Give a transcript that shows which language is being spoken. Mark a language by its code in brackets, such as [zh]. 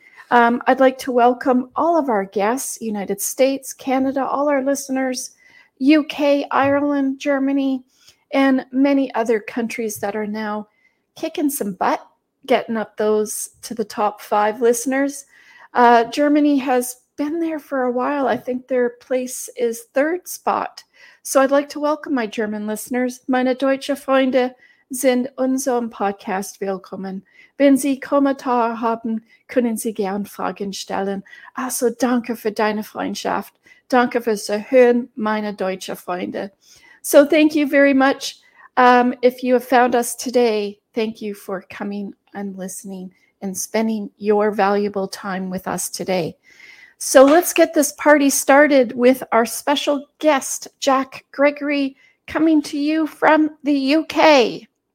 [en] I'd like to welcome all of our guests, United States, Canada, all our listeners, UK, Ireland, Germany, and many other countries that are now kicking some butt, getting up those to the top five listeners. Germany has been there for a while. I think their place is third spot. So I'd like to welcome my German listeners. [de] Meine deutsche Freunde sind unserem Podcast willkommen. Wenn Sie Kommentare haben, können Sie gern Fragen stellen. Also danke für deine Freundschaft. Danke fürs Hören, meine deutsche Freunde. [en] So thank you very much. If you have found us today, thank you for coming and listening and spending your valuable time with us today. So let's get this party started with our special guest, Jack Gregory, coming to you from the UK.